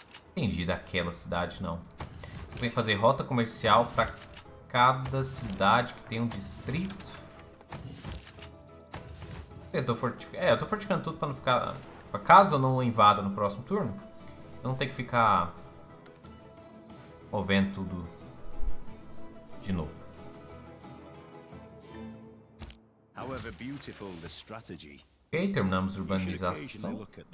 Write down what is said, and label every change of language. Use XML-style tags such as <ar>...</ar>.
<pt>Entendi, daquela cidade não. Tem que fazer rota comercial para cada cidade que tem um distrito. Eu tô fortificando tudo para não ficar. Caso eu não invada no próximo turno, eu não tenho que ficar movendo tudo de novo.</pt> <en>However beautiful the strategy.</en> <pt>Ok, terminamos a urbanização.</pt>